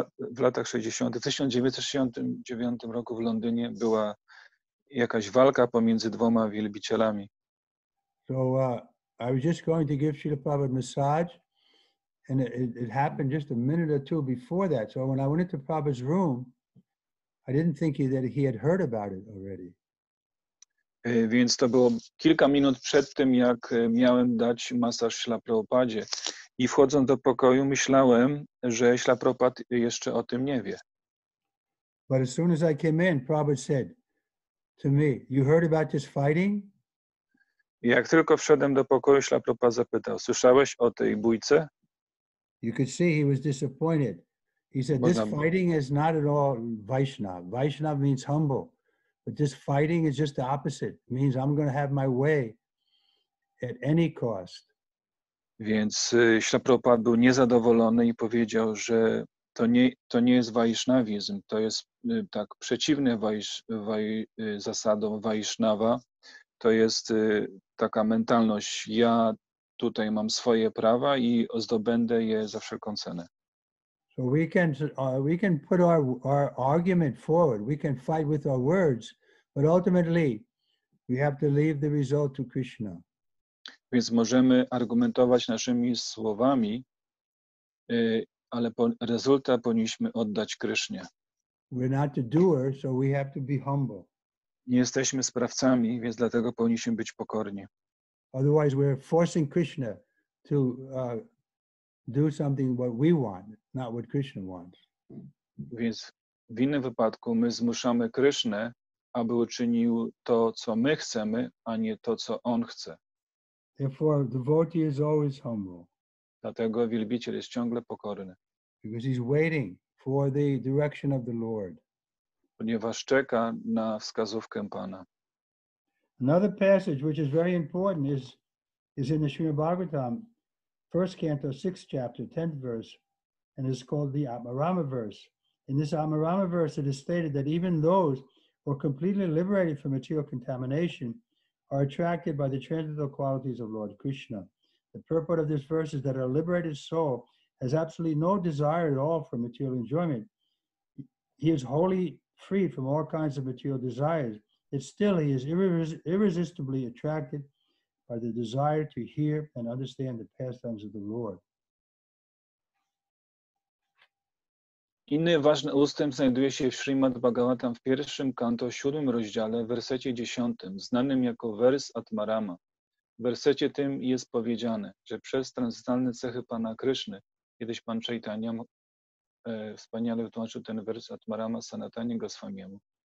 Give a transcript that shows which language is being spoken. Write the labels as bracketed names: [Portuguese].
[Polish] W latach 60., w 1969 roku w Londynie była jakaś walka pomiędzy dwoma wielbicielami. [English] So I was just going to give Srila Prabhupada a massage, and it happened just a minute or two before that. So when I went into Prabhupada's room, I didn't think that he had heard about it already. [Polish] Więc to było kilka minut przed tym, jak miałem dać masaż Śla Prabhupadzie. I wchodząc do pokoju, myślałem, że Śla Prabhupada jeszcze o tym nie wie. [English] But as soon as I came in, Prabhupada said to me, "You heard about this fighting?" [Polish] Jak tylko wszedłem do pokoju, Śla Prabhupada zapytał, słyszałeś o tej bójce? [English] You could see he was disappointed. He said, "This fighting is not at all Vaishnava. Vaishnava means humble. But this fighting is just the opposite. It means I'm going to have my way at any cost." [Polish] Więc Śla Prabhupada był niezadowolony i powiedział, że to nie jest Vaishnavizm. To jest tak przeciwne zasadom Vaishnava. To jest taka mentalność. Ja tutaj mam swoje prawa i zdobędę je za wszelką cenę. [English] So we can put our argument forward. We can fight with our words, but ultimately we have to leave the result to Krishna. [Polish] Więc możemy argumentować naszymi słowami, ale rezultat powinniśmy oddać Krishnie. [English] We're not the doer, so we have to be humble. [Polish] Nie jesteśmy sprawcami, więc dlatego powinniśmy być pokorni. [English] Otherwise we're forcing Krishna to do something what we want, not what Krishna wants. [Polish] Więc w innym wypadku my zmuszamy Krishnę, aby uczynił to, co my chcemy, a nie to, co on chce. [English] Therefore, the devotee is always humble. [Polish] Dlatego wielbiciel jest ciągle pokorny. [English] Because he's waiting for the direction of the Lord. [Polish] Ponieważ czeka na wskazówkę Pana. [English] Another passage which is very important is in the Srimad Bhagavatam, first canto, sixth chapter, tenth verse, and it's called the Atmarama verse. In this Atmarama verse, it is stated that even those who are completely liberated from material contamination are attracted by the transcendental qualities of Lord Krishna. The purport of this verse is that a liberated soul has absolutely no desire at all for material enjoyment. He is wholly free from all kinds of material desires, yet still he is irresistibly attracted by the desire to hear and understand the pastimes of the Lord. [Polish] Inny ważny ustęp znajduje się w Śrimad Bhagavatam w pierwszym kanto, siódmym rozdziale, wersecie dziesiątym, znanym jako wers Atmarama. W wersecie tym jest powiedziane, że przez transcendentalne cechy Pana Kryszny, kiedyś Pan Chaitanya wspaniale wytłumaczył ten wers Atmarama Sanatanie Goswamiemu.